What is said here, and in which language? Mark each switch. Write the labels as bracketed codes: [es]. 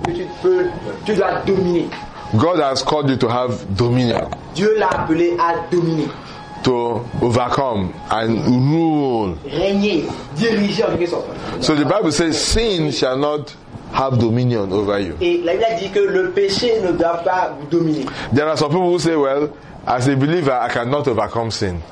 [fr] Tu dois dominer. [en] God has called you to have dominion. [fr] Dieu l'a appelé à dominer. [en] To overcome and rule. [fr] Régner, diriger. [en] So the Bible says, sin shall not have dominion over you. [fr] Et la Bible dit que le péché ne doit pas vous dominer. [en] There are some people who say, well, as a believer, I cannot overcome sin.